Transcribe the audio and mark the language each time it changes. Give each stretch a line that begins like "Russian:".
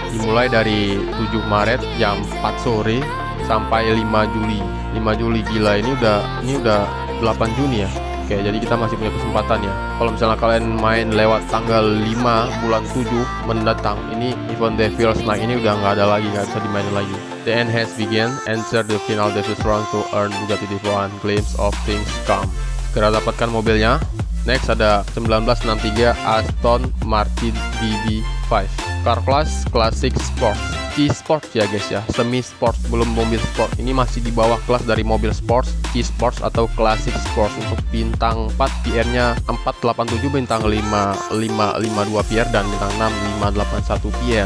Indonesian: Dimulai dari 7 Maret jam 4 sore sampai 5 Juli. 5 Juli, gila, ini udah 8 Juni ya. Oke, jadi kita masih punya kesempatan ya. Kalau misalnya kalian main lewat tanggal 5 bulan 7 mendatang, ini event Devil's Night ini udah nggak ada lagi, nggak bisa dimainin lagi.
English: The end has begun. Enter the final Devil's Round to earn Bugatti Devo and glimpse of things come.
Indonesian: Segera dapatkan mobilnya. Next ada 1963 Aston Martin DB5.
English: Car class, classic sport.
Indonesian: C-Sport ya guys ya, semi-sport, belum mobil sport. Ini masih di bawah kelas dari mobil sport, C-Sport atau Classic Sport. Untuk bintang 4, PR-nya 487, bintang 5552 PR, dan bintang 6581 PR.